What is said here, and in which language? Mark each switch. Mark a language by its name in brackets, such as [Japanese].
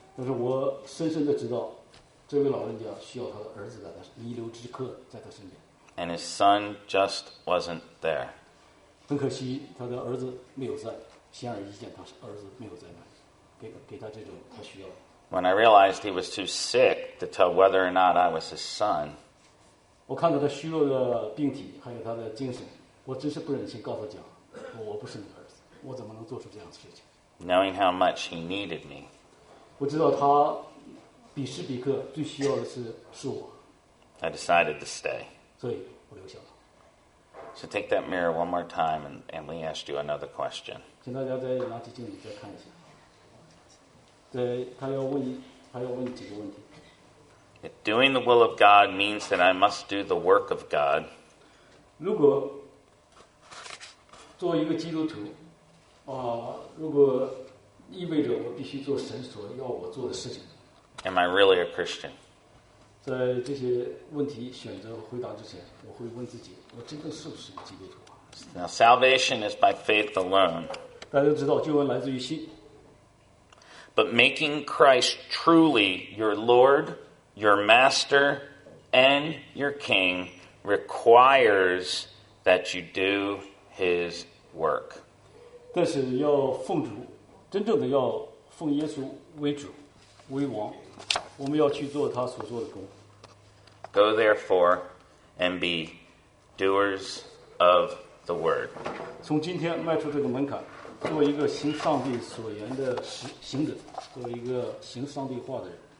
[Chinese] 但是我深深的知道，这位老人家需要他的儿子在他弥留之刻在他身边。 [English] And his son just wasn't there. [Chinese] 很可惜，他的儿子没有在。显而易见，他儿子没有在那，给他这种他需要。 [English] When I realized he was too sick to tell whether or not I was his son, [Chinese] 我看到他虚弱的病体还有他的精神，我真是不忍心告诉他讲，我不是你儿子，我怎么能做出这样的事情 [English] ？Knowing how much he needed me. [Chinese] 我知道他彼时彼刻最需要的是我。 [English] I decided to stay. [Chinese] 所以我留下了。 [English] So take that mirror one more time, and we asked you another question. [Chinese] 请大家再拿起镜子再看一下。对，他要问几个问题。 [English] If doing the will of God means that I must do the work of God. [Chinese] 如果做一个基督徒，如果意味着我必须做神所要我做的事情。 [English] Am I really a Christian? [Chinese] 在这些问题选择回答之前，我会问自己：我真的是不是基督徒？ [English] Now salvation is by faith alone. [Chinese] 大家都知道，救恩来自于信。 [English] But making Christ truly your Lord, your Master, and your King requires that you do His work. [Chinese] 但是要奉主。真正的要奉耶稣为主为王，我们要去做他所做的工。 [English] Go therefore and be doers of the word. [Chinese] 从今天迈出这个门槛，做一个行上帝所言的行者，做一个行上帝话的人。